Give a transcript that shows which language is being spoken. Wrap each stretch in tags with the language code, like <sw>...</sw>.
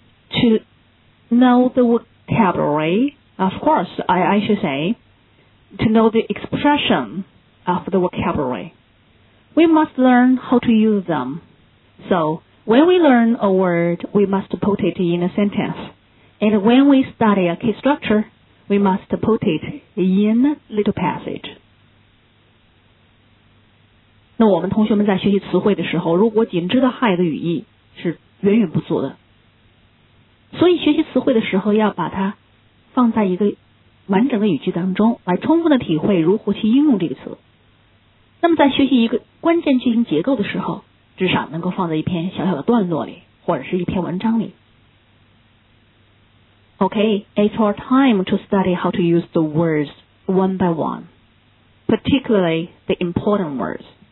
<en>To know the vocabulary, of course, I should say, to know the expression of the vocabulary, we must learn how to use them. So, when we learn a word, we must put it in a sentence. And when we study a key structure, we must put it in a little passage.</en> <zh>那我们同学们在学习词汇的时候，如果仅知道汉语的语义，是远远不足的。所以学习词汇的时候要把它放在一个完整的语句当中，来充分的体会如何去应用这个词。那么在学习一个关键句型结构的时候，至少能够放在一篇小小的段落里，或者是一篇文章里。</zh> <en>OK, it's our time to study how to use the words one by one, particularly the important words.</en>